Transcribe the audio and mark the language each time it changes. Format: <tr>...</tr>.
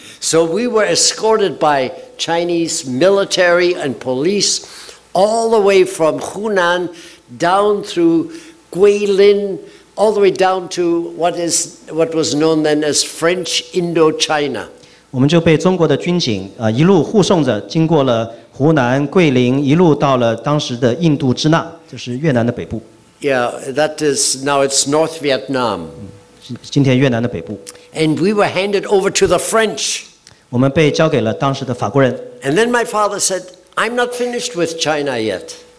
<en>So we were escorted by Chinese military and police all the way from Hunan down through Guilin. All the way down to what was known then as French Indochina.</en> <zh>我们就被中国的军警一路护送着，经过了湖南桂林，一路到了当时的印度支那，就是越南的北部。</zh> <en>Yeah, that is now it's North Vietnam.</en> <zh>今天越南的北部。</zh> <en>And we were handed over to the French.</en> <zh>我们被交给了当时的法国人。</zh> <en>And then my father said, "I'm not finished with China yet."</en>